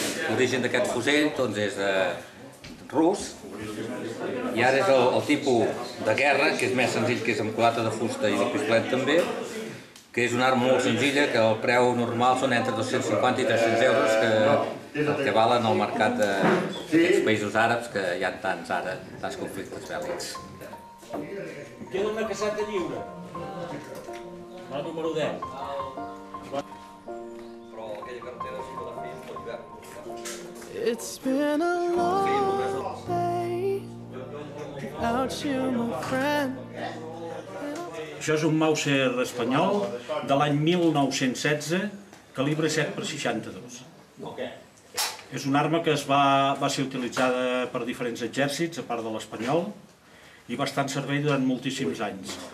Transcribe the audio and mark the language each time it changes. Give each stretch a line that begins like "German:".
Catalan: L'origen d'aquest fusell doncs és rus i ara és el tipus de guerra, que és més senzill, que és amb culata de fusta i de pistolet també, que és una arma molt senzilla, que el preu normal són entre 250 i 300 euros, que el que valen al mercat d'aquests països àrabs, que hi ha tants ara, tants conflictes bèl·lics. Queda una caseta lliure. La número 10. Però aquella carretera sí que la feien tot llarg.
English: It's been a long day without you, my friend.
Catalan: Això és un Mauser espanyol de l'any 1916, calibre 7x62. És una arma que va ser utilitzada per diferents exèrcits, a part de l'espanyol, i va estar en servei durant moltíssims anys.